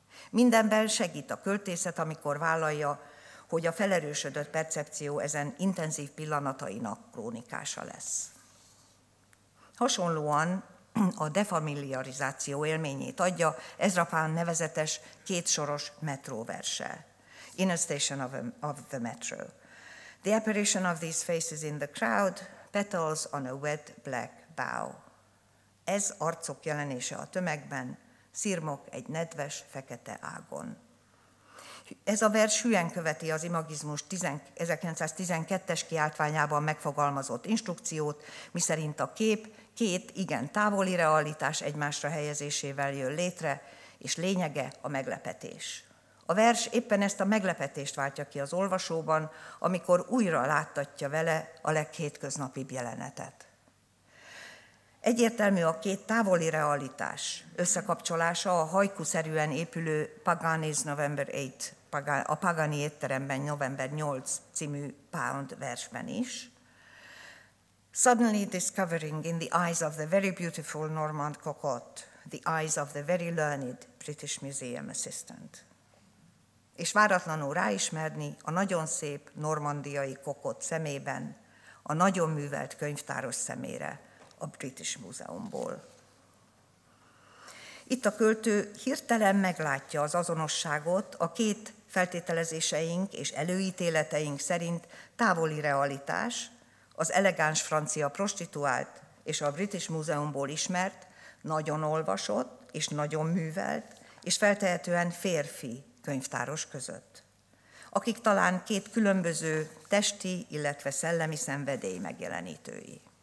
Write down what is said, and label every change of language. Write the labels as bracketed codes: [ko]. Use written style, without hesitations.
[hu] Mindenben segít a költészet, amikor vállalja, hogy a felerősödött percepció ezen intenzív pillanatainak krónikása lesz. Hasonlóan a defamiliarizáció élményét adja Ezra Pound nevezetes kétsoros metró verse. [en] In a station of the metro. The apparition of these faces in the crowd, petals on a wet black bough. [hu] Ez arcok jelenése a tömegben, szirmok egy nedves, fekete ágon. Ez a vers hűen követi az imagizmus 1912-es kiáltványában megfogalmazott instrukciót, miszerint a kép két igen távoli realitás egymásra helyezésével jön létre, és lényege a meglepetés. A vers éppen ezt a meglepetést váltja ki az olvasóban, amikor újra láttatja vele a leghétköznapibb jelenetet. Egyértelmű a két távoli realitás összekapcsolása a haiku-szerűen épülő Pagani's November 8, a Pagani étteremben November 8 című Pound versben is. [en] Suddenly discovering in the eyes of the very beautiful Normand Cocotte, the eyes of the very learned British Museum assistant. [hu] És váratlanul ráismerni a nagyon szép normandiai kokott szemében, a nagyon művelt könyvtáros szemére a British Museumból. Itt a költő hirtelen meglátja az azonosságot a két feltételezéseink és előítéleteink szerint távoli realitás, az elegáns francia prostituált és a British Museumból ismert, nagyon olvasott és nagyon művelt, és feltehetően férfi könyvtáros között, akik talán két különböző testi, illetve szellemi szenvedély megjelenítői.